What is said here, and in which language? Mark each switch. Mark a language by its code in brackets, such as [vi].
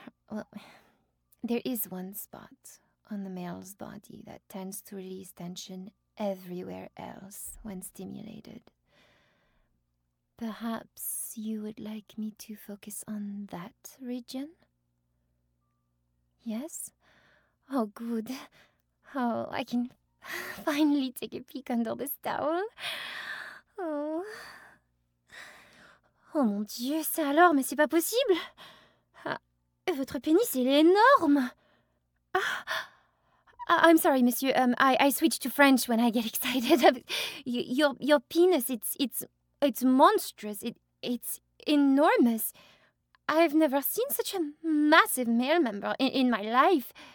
[en] Well, there is one spot on the male's body that tends to release tension everywhere else when stimulated. Perhaps you would like me to focus on that region? Yes? Oh, good. Oh, I can finally take a peek under this towel. [fr] Oh mon Dieu, ça alors, mais c'est pas possible! Ah, votre pénis, il est énorme! [en] Ah, I'm sorry, monsieur. I switch to French when I get excited. Your penis, it's monstrous. It's enormous. I've never seen such a massive male member in my life.